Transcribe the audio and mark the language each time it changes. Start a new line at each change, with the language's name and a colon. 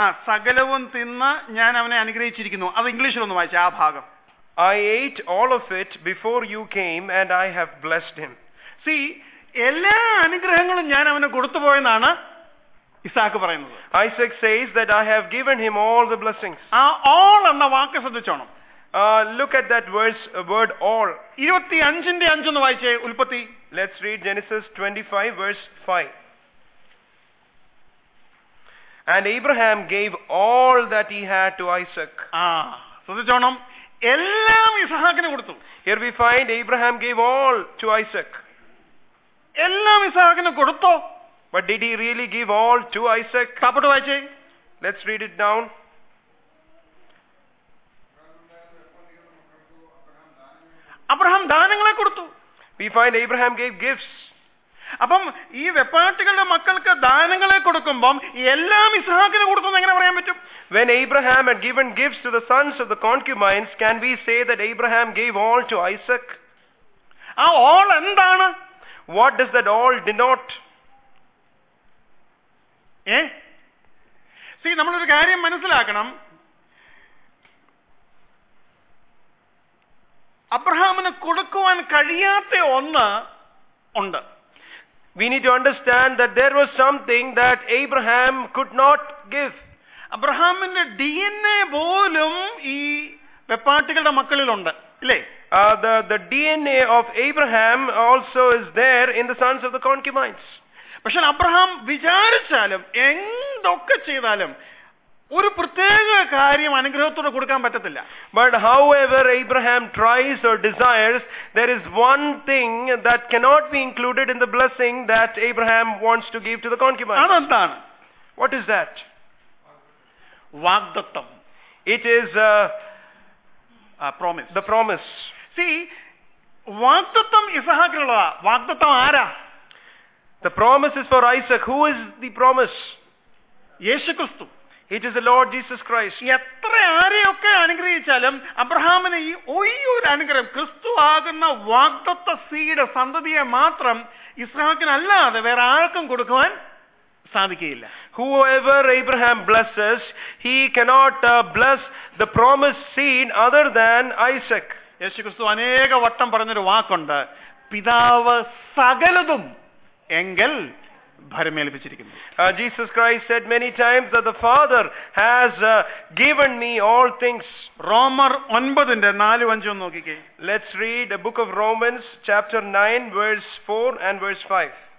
Malayalam: ആ സകലവും തിന്ന് ഞാൻ അവനെ അനുഗ്രഹിച്ചിരിക്കുന്നു. അത് ഇംഗ്ലീഷിൽ ഒന്ന് വായിച്ചു ആ ഭാഗം.
English: I ate all of it before you came and I have blessed him.
Malayalam: See, എല്ലാ അനുഗ്രഹങ്ങളും ഞാൻ അവന് കൊടുത്തു പോയെന്നാണ് ഇസാക്ക് പറയുന്നത്.
English: Isaac says that I have given him all the blessings.
Malayalam: All എന്ന വാക്ക് ശ്രദ്ധിച്ചോണം.
English: Look at that word all.
Malayalam: 25:5 എന്ന് വായിച്ചേ ഉൽപ്പത്തി.
English: Let's read Genesis 25 verse 5. And Abraham gave all that he had to Isaac.
Malayalam: ശ്രദ്ധിച്ചോണം, എല്ലാം ഇസഹാക്കിന് കൊടുത്തു.
English: Here we find Abraham gave all to Isaac.
Malayalam: എല്ലാം ഇസഹാക്കിന് കൊടുത്തോ?
English: But did he really give all to Isaac?
Malayalam: കാപ്പട്ട് വായിച്ചേ.
English: Let's read it down.
Malayalam: Abraham ദാനങ്ങളെ കൊടുത്തു.
English: We find Abraham gave gifts.
Malayalam: അപ്പം ഈ വെപ്പാട്ടികളുടെ മക്കൾക്ക് ദാനങ്ങളെ കൊടുക്കുമ്പം എല്ലാം ഇസഹാക്കിന് കൊടുത്തു എന്ന് എങ്ങനെ പറയാൻ പറ്റും?
English: When Abraham had given gifts to the sons of the concubines, can we say that Abraham gave all to Isaac?
Malayalam: ആ ഓൾ എന്താണ്?
English: What does that all denote?
Malayalam: See, നമ്മൾ ഒരു കാര്യം മനസ്സിലാക്കണം. അബ്രഹാമിന് കൊടുക്കുവാൻ കഴിയാത്ത ഒന്ന് ഉണ്ട്.
English: We need to understand that there was something that Abraham could not give.
Malayalam: അബ്രഹാമിന്റെ DNA പോലും ഈ വെപ്പാട്ടികളുടെ മക്കളിലുണ്ട് അല്ലേ?
English: The DNA of Abraham also is there in the sons of the concubines.
Malayalam: പക്ഷെ അബ്രഹാം വിചാരിച്ചാലും എന്തൊക്കെ ചെയ്താലും ഒരു പ്രത്യേക കാര്യം അനുഗ്രഹത്തോടെ കൊടുക്കാൻ പറ്റത്തില്ല.
English: But however Abraham tries or desires, there is one thing that cannot be included in the blessing that Abraham wants to give to the concubines.
Malayalam: അതെന്താണ്?
English: What is that?
Malayalam: വാഗ്ദത്തം.
English: It is promise. The promise.
Malayalam: See, വാഗ്ദത്തം ഇസഹാക്കിനുള്ളതാ. വാഗ്ദത്തം ആരാ?
English: The promise is for Isaac. Who is the promise?
Malayalam: യേശുക്രിസ്തു.
English: It is the Lord Jesus Christ.
Malayalam: എത്ര ആരെയൊക്കെ അനുഗ്രഹിച്ചാലും അബ്രഹാമിന് ഈ ഒരു അനുഗ്രഹം, ക്രിസ്തു ആകുന്ന വാഗ്ദത്ത സീഡ് സന്തതിയെ മാത്രം ഇസ്രായേലിനല്ലാതെ വേറെ ആർക്കും കൊടുക്കുവാൻ സാധിക്കുകയില്ല.
English: Whoever Abraham blesses, he cannot bless the promised seed other than Isaac.
Malayalam: യേശു ക്രിസ്തു അനേക വട്ടം പറഞ്ഞൊരു വാക്കുണ്ട്, പിതാവ് സകലതും എങ്കിൽ ഭരമേൽപ്പിച്ചിരിക്കുന്നു.
English: Jesus Christ said many times that the Father has given me all things.
Malayalam: Romans 9:4-5 നോക്കിക്കേ.
English: Let's read the book of Romans chapter 9 verse 4 and verse 5.